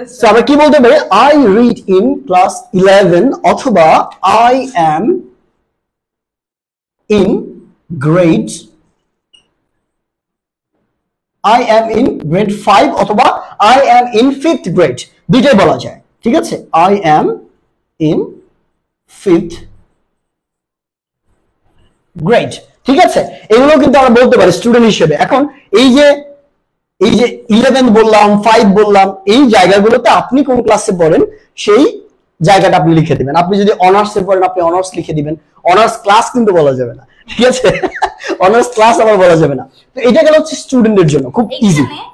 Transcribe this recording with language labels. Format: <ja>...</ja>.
<bn>আমরা কি বলতে পারি</bn> <en>I read in class 11</en> <bn>অথবা</bn> <en>I am in grade, I am in grade 5</en> <bn>অথবা</bn> <en>I am in 5th grade,</en> <bn>দুটোই বলা যায়, ঠিক আছে?</bn> <en>I am in 5th grade,</en> <bn>ঠিক আছে? এগুলো কিন্তু আমরা বলতে পারি স্টুডেন্ট হিসেবে। এখন এই যে 11 বললাম, 5 বললাম, এই জায়গাগুলোতে আপনি কোন ক্লাসে পড়েন সেই জায়গাটা আপনি লিখে দিবেন। আপনি যদি অনার্সে পড়েন আপনি অনার্স লিখে দিবেন, অনার্স ক্লাস কিন্তু বলা যাবে না, ঠিক আছে? অনার্স ক্লাস আবার বলা যাবে না। তো এটা গেল হচ্ছে স্টুডেন্টদের জন্য খুব ইজি।</bn>